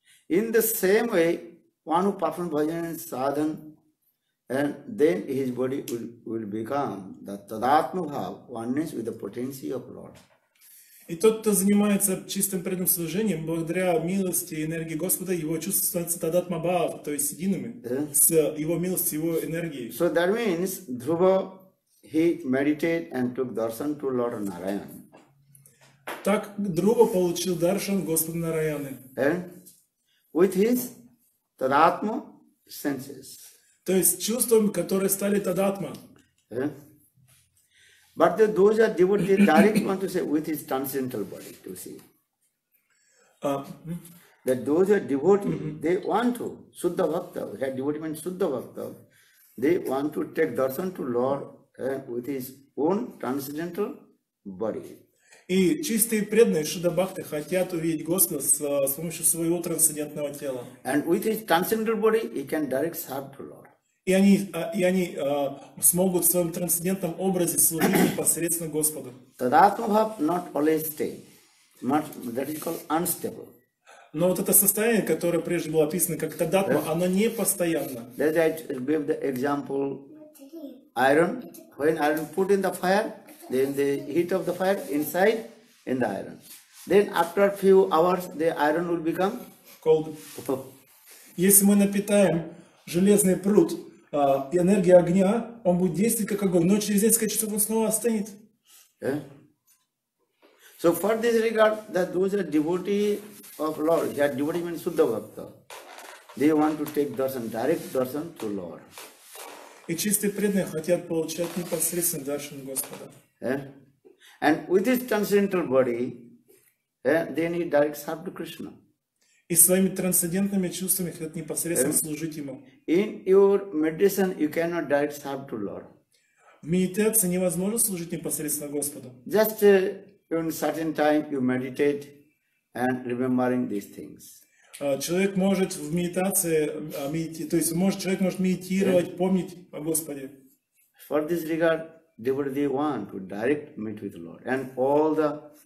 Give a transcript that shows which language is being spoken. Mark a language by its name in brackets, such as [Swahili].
[English] In the same way, one who performs bhajan and sadhan, and then his body will become the tadatma bhav, oneness with the potency of Lord. [Russian] И тот, кто занимается чистым преданным служением, благодаря милости и энергии Господа, его чувство становится тадатма бхав, то есть едиными, с его милостью, его энергией. [English] So that means, Dhruva, he meditated and took darshan to Lord Narayan. [Russian] Так Dhruva получил даршан Господа Нараяны. [English] With his tadatma senses. [Russian] То есть чувством, которые стали тадатма. [English] But the, those are devotees direct want to say with his transcendental body to see. That those are devotees, they want to, Suddha Bhakta, that devotee means Suddha Bhakta, they want to take darshan to Lord with his own transcendental body. [Russian] И чистые преданные Шуда Бхакты хотят увидеть Господа с помощью своего трансцендентного тела. [English] And with his transcendental body, he can direct serve to Lord. [Russian] И они смогут в своем трансцендентном образе служить непосредственно Господу. [English] Tadatma bhav not always stay. That is called unstable. [Russian] Но вот это состояние, которое прежде было описано как тадатма, оно не постоянно. [English] Let me give the example iron. When iron put in the fire, then the heat of the fire inside in the iron. Then after few hours, the iron will become cold. [Russian] Если мы напитаем железный пруд, и энергия огня, он будет действовать как огонь, но через несколько часов он снова остынет. [English] So for this regard, that those are devotee of Lord, that devotee means Suddha Bhakta, they want to take darshan, direct darshan to Lord. [Russian] И чистые преданные хотят получать непосредственно даршан Господа. [English] And with his transcendental body, then he directs up to Krishna. [Russian] И своими трансцендентными чувствами хотят непосредственно служить ему. [English] In your meditation, you cannot direct serve to Lord. [Russian] В медитации невозможно служить непосредственно Господу. [English] Just in certain time you meditate and remembering these things. [Russian] Человек может в медитации медитировать, помнить о Господе. [English] For this regard, devotee want to direct meet with Lord and all the